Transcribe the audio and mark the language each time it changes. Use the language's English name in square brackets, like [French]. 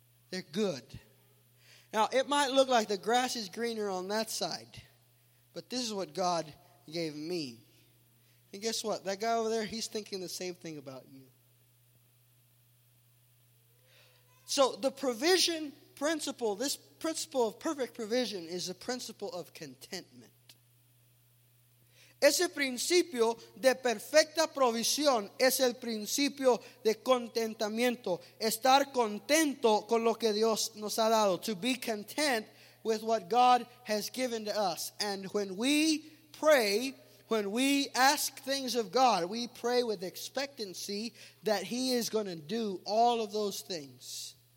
[English] They're good. Now, it might look like the grass is greener on that side, but this is what God gave me. And guess what? That guy over there, he's thinking the same thing about you. So the provision principle, this principle of perfect provision, is the principle of contentment. [Spanish] Ese principio de perfecta provisión es el principio de contentamiento. Estar contento con lo que Dios nos ha dado. [English] To be content with what God has given to us. And when we pray, when we ask things of God, we pray with expectancy that He is going to do all of those things.